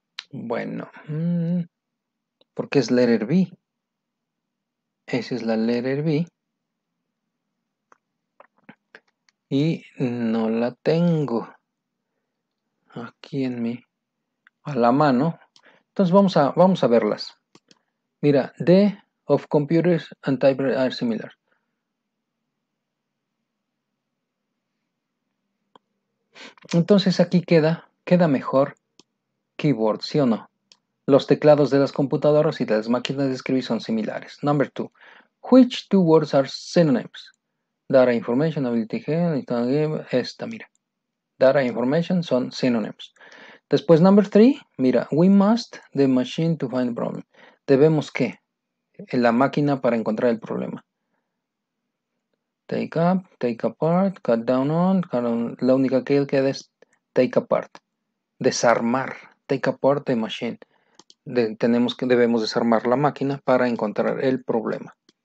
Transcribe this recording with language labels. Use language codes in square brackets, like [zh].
[es] Bueno, porque es letter B. Esa es la letter B. Y no la tengo aquí en mi, a la mano. Entonces vamos a verlas. Mira, [en] the of computers and typewriters are similar. [es] Entonces aquí queda mejor keyboard, ¿sí o no? Los teclados de las computadoras y de las máquinas de escribir son similares. [en] Number two. Which two words are synonyms? Data information, ability, [es] esta, mira. [en] Data information [es] son [en] synonyms. [es] Después, [en] number three. [es] Mira, [en] we must the machine to find the problem. [es] Debemos que la máquina para encontrar el problema. [en] Take up, take apart, cut down on, cut on. [es] La única que queda es [en] take apart. Desarmar. Take apart the machine. [es] Debemos desarmar la máquina para encontrar el problema.